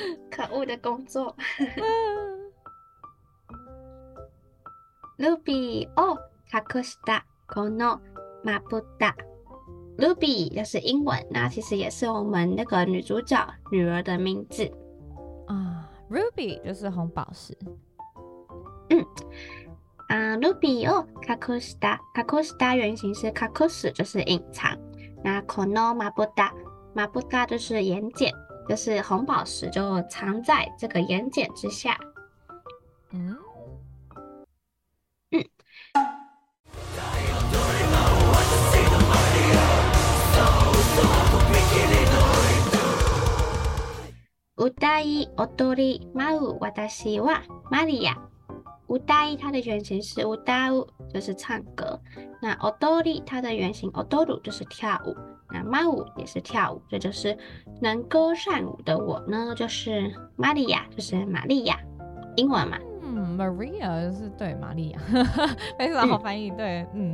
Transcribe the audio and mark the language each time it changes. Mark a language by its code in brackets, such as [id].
[zh] 可恶的工作 [ja] ルビーを隠したこのまぶた。 [zh] ルビー就是英文，那其实也是我们那个女主角女儿的名字啊。Ruby 就是红宝石。 [ja] ルビーを隠した。隠した [zh] 原型是隠す，就是隐藏。那 [ja] このまぶた， [zh] まぶた就是眼睑，就是红宝石就藏在这个眼睑之下。 [ja] 歌い踊り舞う私はマリア。 [zh] 歌い它的原型是歌う，就是唱歌。那踊り它的原型踊る就是跳舞。那舞う也是跳舞，这就是能歌善舞的我呢，就是マリア，就是玛利亚，英文嘛。 Maria 就是对玛利亚，非常好翻译，对，